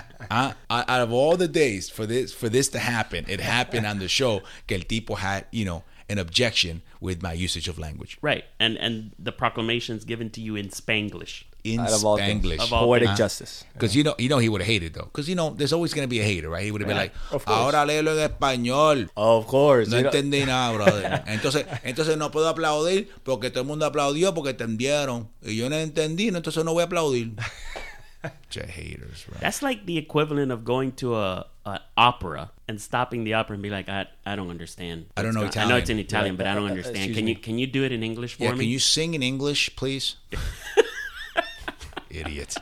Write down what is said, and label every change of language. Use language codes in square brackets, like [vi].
[en] out of all the days for this to happen, it happened on the show [es] que el tipo [en] had, you know, an objection with my usage of language. Right. And the proclamation's given to you in Spanglish. In Spanglish. Of all poetic things. Justice. Because you know he would have hated, though. Because, you know, there's always going to be a hater, right? He would have been like, [es] ahora léelo en español. [en] Of course. [es] No entendí nada, brother. Entonces no puedo aplaudir porque todo el mundo aplaudió porque entendieron. Y yo no entendí, entonces no voy a aplaudir. [en] Just haters, right? That's like the equivalent of going to an opera and stopping the opera and be like, I don't understand. I don't know Italian. I know it's in Italian, right, but I don't understand. Can you do it in English for me? Can you sing in English, please? Idiot.